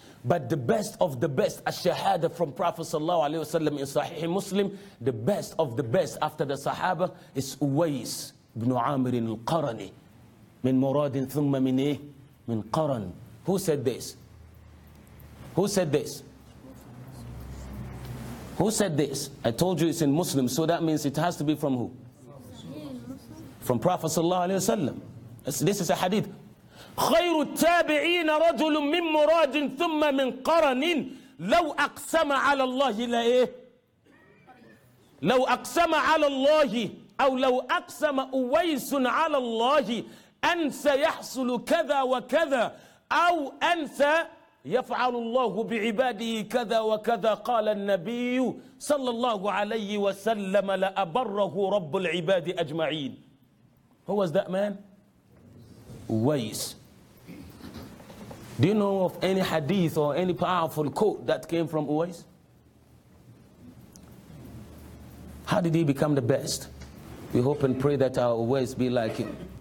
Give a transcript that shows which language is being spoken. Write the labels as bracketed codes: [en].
[en] But the best of the best, al-shahada from Prophet sallallahu alayhi wa sallam in Sahih Muslim, the best of the best after the Sahaba is Uwais ibn Amir al-Qarani. Min muradin thumma min eh? Min Qaran. Who said this? Who said this? Who said this? I told you it's in Muslim, so that means it has to be from who? From Prophet sallallahu alayhi wa sallam. This is a hadith. [ar] خير التابعين رجل من مراد ثم من قرن لو أقسم على الله لا إيه لو أقسم على الله أو لو أقسم أويس على الله أن سيحصل كذا وكذا أو أن سيفعل الله بعباده كذا وكذا قال النبي صلى الله عليه وسلم لأبره رب العباد أجمعين. [en] Who was that man? Uwais. Do you know of any hadith or any powerful quote that came from Uwais? How did he become the best? We hope and pray that our Uwais be like him.